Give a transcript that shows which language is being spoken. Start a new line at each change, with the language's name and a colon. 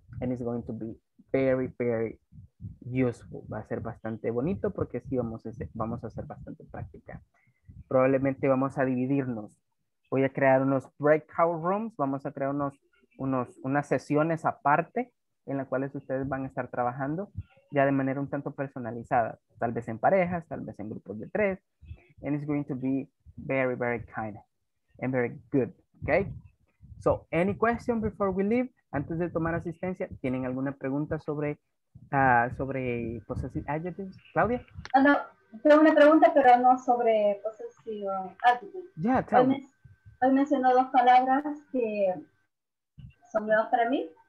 English: And it's going to be very, very useful.
Spanish: Va a ser bastante bonito porque sí vamos a hacer bastante práctica. Probablemente vamos a dividirnos. Voy a crear unos breakout rooms. Vamos a crear unas sesiones aparte en las cuales ustedes van a estar trabajando ya de manera un tanto personalizada. Tal vez en parejas, tal vez en grupos de tres.
English: And it's going to be very, very kind. And very good, okay? So, any question before we leave?
Spanish: Antes de tomar asistencia, ¿tienen alguna pregunta sobre sobre possessive adjectives? Claudia? No, tengo una pregunta, pero no sobre possessive adjectives.
English: Yeah, tell me.
Spanish: Hoy mencionó dos palabras que son nuevas para mí.